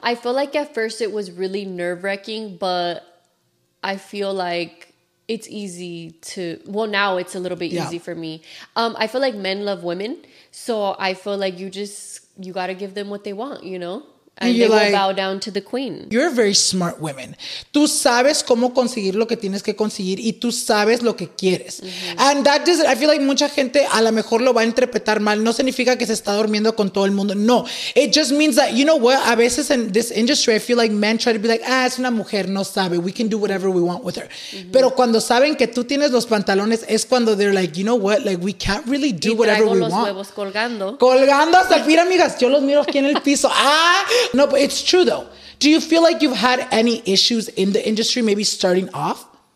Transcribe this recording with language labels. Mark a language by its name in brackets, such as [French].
[English] I feel like at first it was really nerve-wracking, but I feel like it's easy to, well, now it's a little bit yeah. easy for me. I feel like men love women. So I feel like you got to give them what they want, you know? And you're they like, will bow down to the queen. You're a very smart woman. [Spanish] Tú sabes cómo conseguir lo que tienes que conseguir y tú sabes lo que quieres. Mm-hmm. [English] And that does it. I feel like [Spanish] mucha gente a lo mejor lo va a interpretar mal. No significa que se está durmiendo con todo el mundo. No. [English] It just means that, you know what? [Spanish] A veces [English] in this industry, I feel like men try to be like, [Spanish] ah, es una mujer, no sabe. [English] We can do whatever we want with her. Mm-hmm. [Spanish] Pero cuando saben que tú tienes los pantalones, es cuando [English] they're like, you know what? Like, we can't really do whatever we want. [Spanish] Y traigo los huevos colgando. Colgando hasta, mira, amigas, yo los miro aquí en el piso. [English] Ah, no, but it's true though. Do you feel like you've had any issues in the industry, maybe starting off?